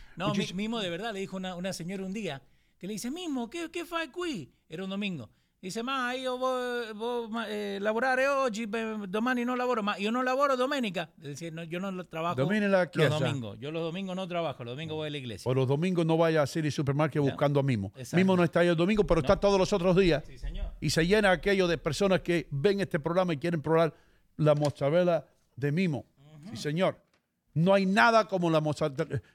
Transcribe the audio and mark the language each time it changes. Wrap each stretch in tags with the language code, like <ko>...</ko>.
<es>No, Mimo de verdad le dijo una señora un día, que le dice, Mimo,</es> <it>¿qué fai qui?</it> <es>Era un domingo.</es> <it>Dice, ma yo voy lavorare oggi, domani no lavoro, ma yo no lavoro domenica.</it> <es>Es decir, no, yo no trabajo los domingos. Yo los domingos no trabajo, los domingos voy a la iglesia. O los domingos no vaya a City Supermarket buscando a Mimo. Exacto. Mimo no está ahí el domingo, pero está todos los otros días. Sí, señor. Y se llena aquello de personas que ven este programa y quieren probar la mozzarella de Mimo. Uh-huh. Sí, señor. No hay nada como la mozzarella.</es>